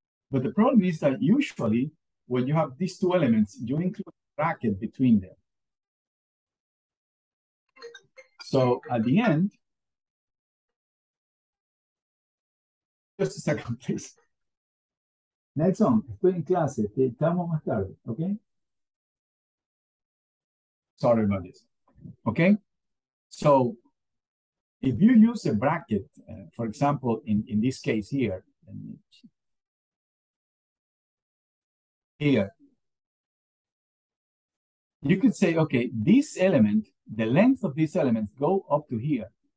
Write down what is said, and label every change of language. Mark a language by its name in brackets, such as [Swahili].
[English] But the problem is that usually when you have these two elements, you include a bracket between them. So at the end, just a second, please. [Spanish] Nelson, estoy en clase, te llamo más tarde, okay? [English] Sorry about this, okay? So if you use a bracket, for example, in this case here, you could say, okay, this element, the length of this element go up to here.